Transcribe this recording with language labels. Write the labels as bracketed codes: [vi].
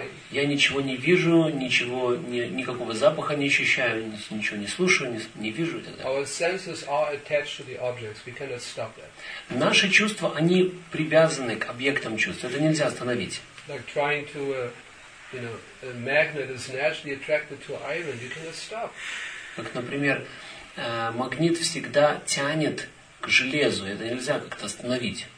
[ru] Я ничего не вижу, ничего, никакого запаха не ощущаю, ничего не слушаю, не вижу. [en] Our senses are attached to the objects. We cannot stop that. [ru] Наши чувства, они привязаны к объектам чувств. Это нельзя остановить. [en] Like trying to, you know, a magnet is naturally attracted to iron. You cannot stop. [ru] Как, например, магнит всегда тянет к железу. Это нельзя как-то остановить.